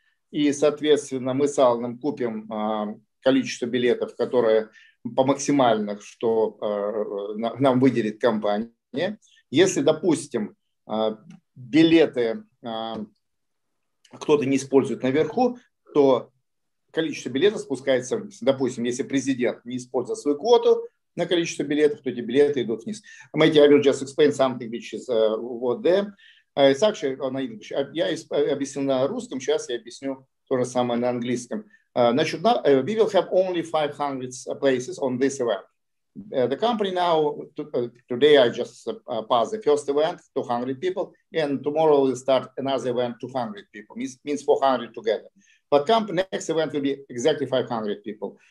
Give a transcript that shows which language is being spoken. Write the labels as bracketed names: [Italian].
[Russian] И, соответственно, мы с Алланом купим количество билетов, которые по максимальных, что нам выделит компания. Если, допустим, билеты кто-то не использует наверху, то количество билетов спускается вниз. Допустим, если президент не использует свою квоту на количество билетов, то эти билеты идут вниз. [English] Мэти, I will just explain something which is what them. It's actually on English. [Russian] Я объяснил на русском, сейчас я объясню то же самое на английском. [English] Значит, we will have only 500 places on this event. The company now, today I just passed the first event, 200 people, and tomorrow we'll start another event, 200 people. Means 400 together. But next event will be exactly 500 people.